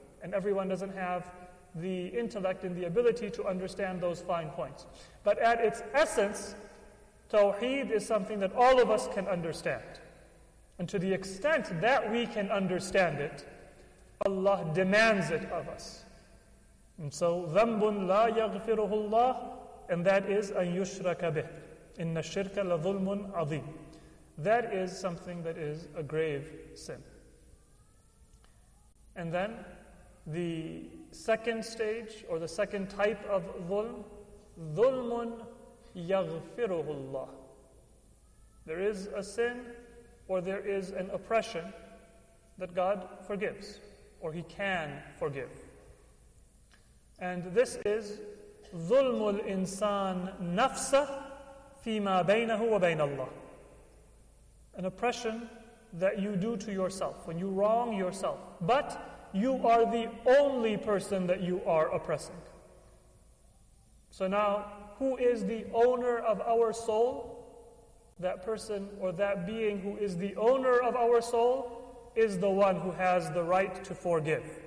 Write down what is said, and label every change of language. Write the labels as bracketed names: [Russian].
[English] And everyone doesn't have the intellect and the ability to understand those fine points. But at its essence, Tawheed is something that all of us can understand. And to the extent that we can understand it, Allah demands it of us. And so, [Arabic] ذَنْبٌ لَا يَغْفِرُهُ اللَّهُ, [English] and that is [Arabic] أَنْ يُشْرَكَ بِهِ إِنَّ الشِّرْكَ لَظُلْمٌ عَظِيمٌ. [English] That is something that is a grave sin. And then, the second stage, or the second type of ظُلْم, [Arabic] ظُلْمٌ يَغْفِرُهُ اللَّهُ. [English] There is a sin, or there is an oppression that God forgives, or He can forgive. And this is [Arabic] ظُلْمُ الْإِنسَانِ نَفْسَهُ فِيمَا بَيْنَهُ وَبَيْنَ اللَّهِ. [English] An oppression that you do to yourself, when you wrong yourself. But you are the only person that you are oppressing. So now, who is the owner of our soul? That person or that being who is the owner of our soul is the one who has the right to forgive.